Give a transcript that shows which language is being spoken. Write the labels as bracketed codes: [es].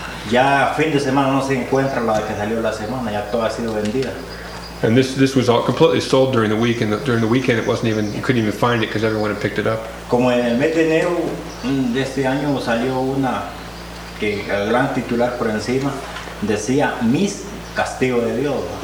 [es] Ya fin de semana no se encuentra la que salió la semana. Ya todo ha sido vendida. [en] And this was all completely sold during the week, and during the weekend you couldn't even find it because everyone had picked it up. [es] Como en el mes de enero de este año salió una que el gran titular por encima decía Mis Castigo de Dios.